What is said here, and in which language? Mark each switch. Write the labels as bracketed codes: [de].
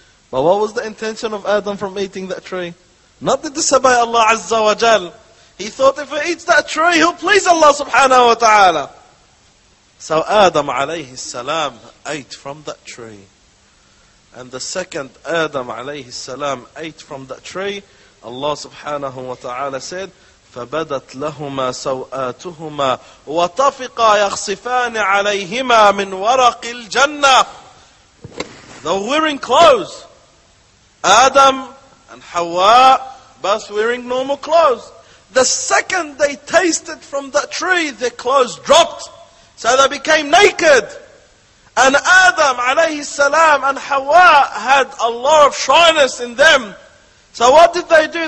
[en] But what was the intention of Adam from eating that tree? Not to disobey Allah Azza wa Jal. He thought if he eats that tree, he'll please Allah subhanahu wa ta'ala. So Adam alayhi salam ate from that tree. And the second Adam alayhi salam ate from that tree, Allah subhanahu wa ta'ala said, [ar] فبدت لهما سوآتهما وطفقا يخصفان عليهما من ورق الجنة. [en] They're wearing clothes. Adam and Hawa both wearing normal clothes. The second they tasted from that tree, their clothes dropped. So they became naked. And Adam alayhi salam and Hawa had a lot of shyness in them. So what did they do?